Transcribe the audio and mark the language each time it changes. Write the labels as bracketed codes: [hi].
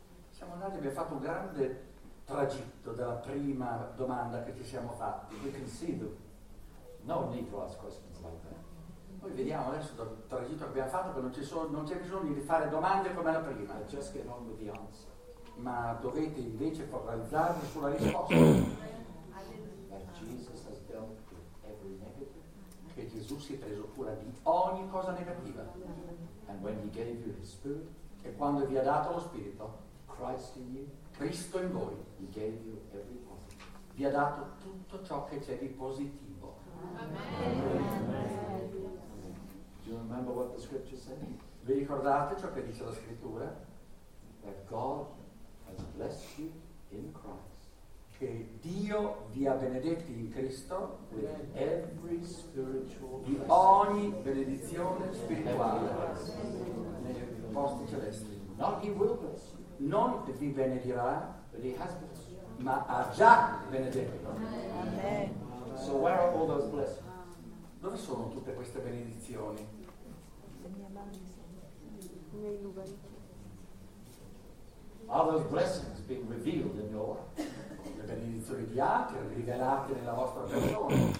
[it] Siamo andati, abbiamo fatto un grande tragitto dalla prima domanda che ci siamo fatti. [en] We can see the no need to ask questions like that. [it] Noi vediamo adesso dal tragitto che abbiamo fatto che non c'è bisogno di fare domande come la prima. [en] I just get on with the answer. [it] Ma dovete invece focalizzarvi sulla risposta. [en] That Jesus has dealt with every negative. [it] Che Gesù si è preso cura di ogni cosa negativa. [en] And when he gave you his spirit, [it] e quando vi ha dato lo spirito, [en] Christ in you, [it] Cristo in voi, [en] he gave you every positive. [it] Vi ha dato tutto ciò che c'è di positivo. [en] Amen. Do you remember what the scripture said? [it] Vi ricordate ciò che dice la scrittura? [en] That God has blessed you in Christ. [it] Che Dio vi ha benedetti in Cristo [en] with every spiritual [it] di ogni benedizione spirituale nei posti celesti. [en] Not he will bless you. [it] Non vi benedirà, [en] but he has blessed you. [it] Ma ha già benedetto. [en] Amen. So where are all those blessings? [it] Dove sono tutte queste benedizioni? [en] Are those blessings being revealed in your life? [it] Le benedizioni di altri rivelate nella vostra persona.